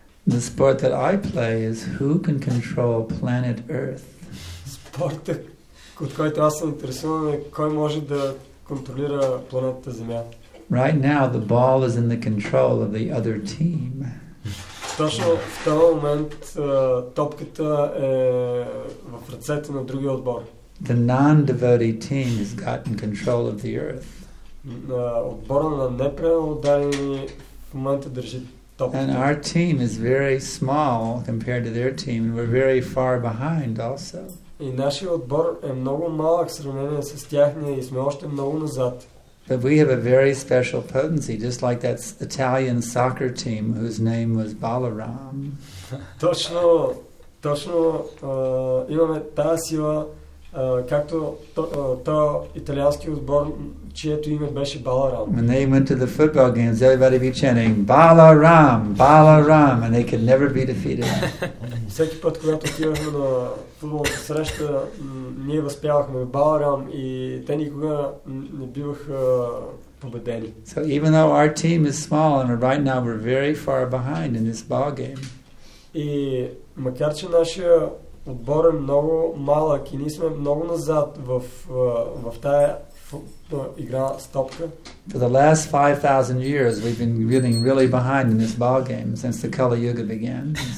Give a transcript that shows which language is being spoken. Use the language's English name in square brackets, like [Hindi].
[English] The sport that I play is who can control planet Earth. [Bulgarian] Спорта. От който аз се интересувам е кой може да контролира планетата Земя. [English] Right now the ball is in the control of the other team. [Bulgarian] Точно в този момент топката е в ръцете на другия отбор. [English] The non-devotee team has gotten control of the earth. [Bulgarian] Отбора на непреводарени в момента държи топката. [English] And our team is very small compared to their team and we're very far behind also. [Bulgarian] И нашия отбор е много малък в сравнение с тяхния и сме още много назад. [English] But we have a very special potency, just like that Italian soccer team whose name was Balaram. [Bulgarian] Точно имаме тази сила, както този италиански отбор, чието име беше Balaram. [English] When they went to the football games, everybody would be chanting, Balaram, Balaram, and they could never be defeated. [Bulgarian] Всеки път, когато отиваме на футболната среща, ние възпявахме Balaram и те никога не биваха победени. [English] So even though our team is small and right now we're very far behind in this ball game. [Bulgarian] И макар че нашия отбор е много малък и ние сме много назад в тая игра с топка. [English] For the last 5,000 years we've been getting really behind in this ball game since the Kali Yuga began.